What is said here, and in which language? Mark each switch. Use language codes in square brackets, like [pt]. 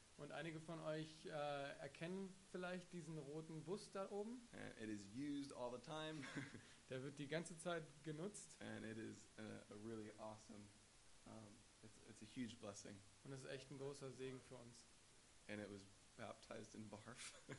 [de] Und einige von euch erkennen vielleicht diesen roten Bus da oben. [en] And it is used all the time. [de] Der wird die ganze Zeit genutzt. [en] And it is a really awesome. It's a huge blessing. [de] Und es ist echt ein großer Segen für uns. [en] And it was baptized in barf.